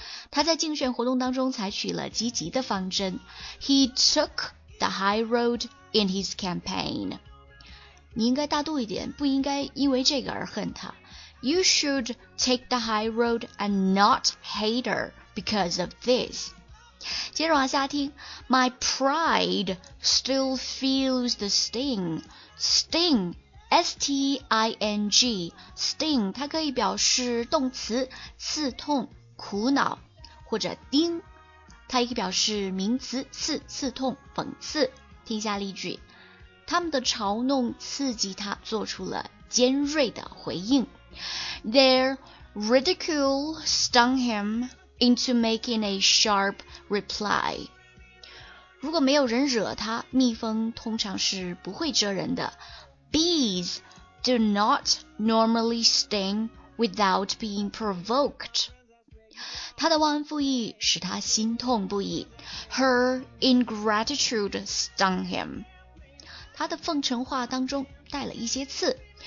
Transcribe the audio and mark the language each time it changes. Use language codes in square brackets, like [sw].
[zh] 他在竞选活动当中采取了积极的方针。 [en] He took the high road in his campaign. [zh] 你应该大度一点，不应该因为这个而恨他。 [en] You should take the high road and not hate her. Because of this. [zh] 接着往下听， [en] My pride still feels the sting. [zh] Sting, S-T-I-N-G. Sting, 它可以表示动词，刺痛、苦恼，或者钉。它也可以表示名词，刺、刺痛、讽刺。听一下例句，他们的嘲弄刺激他做出了尖锐的回应。 [en] Their ridicule stung him. Into making a sharp reply. [zh] 如果没有人惹他，蜜蜂通常是不会蜇人的。 [en] Bees do not normally sting without being provoked. [zh] 他的忘恩负义使他心痛不已。 [en] Her ingratitude stung him. [zh] 他的奉承话当中带了一些刺。